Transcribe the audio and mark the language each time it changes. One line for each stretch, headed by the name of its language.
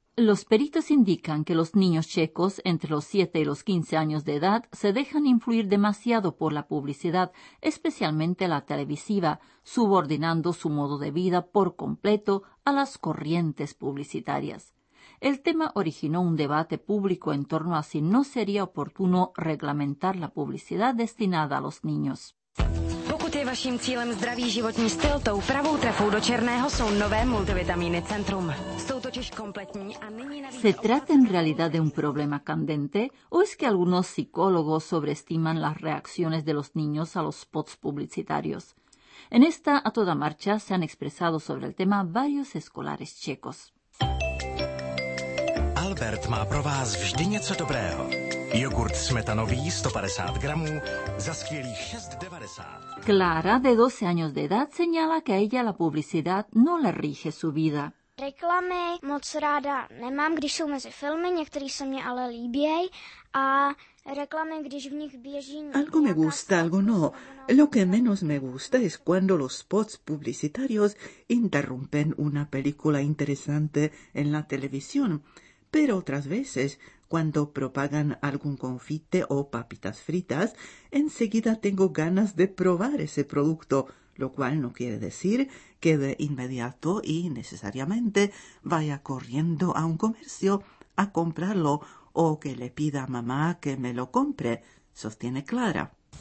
Spanish: Los peritos indican que los niños checos entre los 7 y los 15 años de edad se dejan influir demasiado por la publicidad, especialmente la televisiva, subordinando su modo de vida por completo a las corrientes publicitarias. El tema originó un debate público en torno a si no sería oportuno reglamentar la publicidad destinada a los niños.
Czech: Je vaším cílem zdravý životní styl, tou pravou trefou do černého jsou nové multivitamíny Centrum. Jsou totiž kompletní a nyní navíc...
Spanish: Se trata en realidad de un problema candente, o es que algunos psicólogos sobreestiman las reacciones de los niños a los spots publicitarios. En esta A toda marcha se han expresado sobre el tema varios escolares checos.
Czech: Albert má pro vás vždy něco dobrého. Jogurt smetanový 150 gramů za skvělých 6,90.
Spanish: Clara, de 12 años de edad, señala que a ella la publicidad no le rige su vida.
Czech: Reklamy moc ráda nemám, když jsou mezi filmy, některý se mě ale líbí a reklamy, když v nich běží...
Spanish: Algo me gusta, algo no. Lo que menos me gusta es cuando los spots publicitarios interrumpen una película interesante en la televisión. Pero otras veces, cuando propagan algún confite o papitas fritas, enseguida tengo ganas de probar ese producto, lo cual no quiere decir que de inmediato y necesariamente vaya corriendo a un comercio a comprarlo o que le pida a mamá que me lo compre, sostiene Clara.